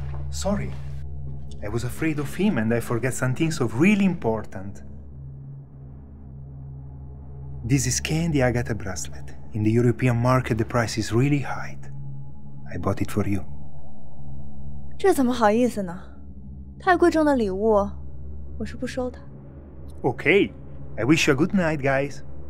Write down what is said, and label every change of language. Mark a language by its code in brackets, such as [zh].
[en] ！Sorry， I was afraid of him and I forget some things of really important. This is candy I got a bracelet. In the European market, the price is really high. I bought it for you. [zh] 这怎么好意思呢？太贵重的礼物，我是不收的。 [en] Okay, I wish you a good night, guys.